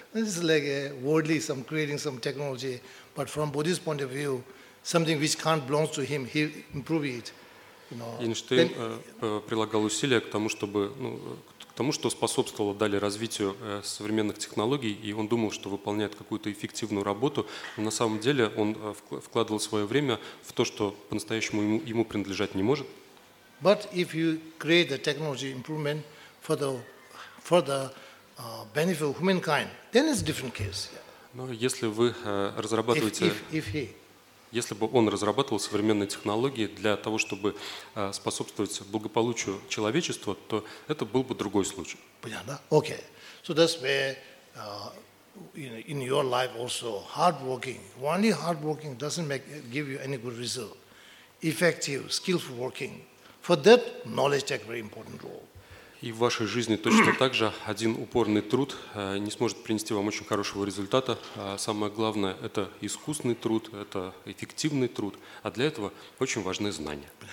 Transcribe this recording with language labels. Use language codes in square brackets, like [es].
[en] This is like a worldly, some creating some technology, but from Buddhist point of view, something which can't belong to him, he improve it. You know. [ru] Эйнштейн прилагал усилия к тому, чтобы тому, что способствовало далее развитию современных технологий, и он думал, что выполняет какую-то эффективную работу, но на самом деле он вкладывал свое время в то, что по-настоящему ему принадлежать не может. [en] But if you create the technology improvement for the benefit of humankind, then it's a different case. [ru] Но если вы разрабатываете... Если бы он разрабатывал современные технологии для того, чтобы способствовать благополучию человечества, то это был бы другой случай. Понятно? [en] Okay. So that's where in your life also hard working. Only hard working doesn't make give you any good result. Effective, skillful working. For that, knowledge takes a very important role. [ru] И в вашей жизни точно так же один упорный труд не сможет принести вам очень хорошего результата. Самое главное – это искусный труд, это эффективный труд. А для этого очень важны знания.